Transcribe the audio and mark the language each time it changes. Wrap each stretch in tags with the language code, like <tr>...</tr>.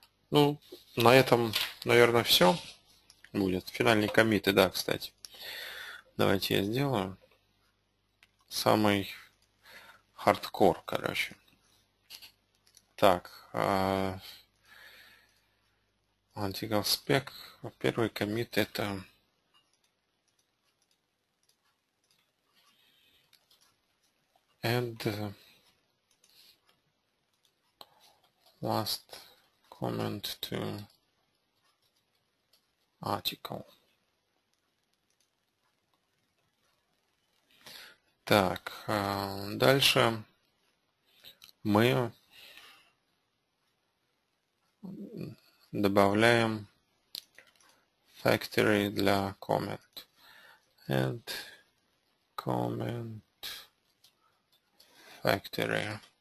<ru>Ну, на этом, наверное, все будет. Финальный коммит, и да, кстати. Давайте я сделаю самый хардкор, короче. Так, Antical spec. Первый коммит это</ru> <en>add last comment to article.</en> <ru>Так, дальше мы добавляем factory для comment.</ru> <en>Add comment factory.</en>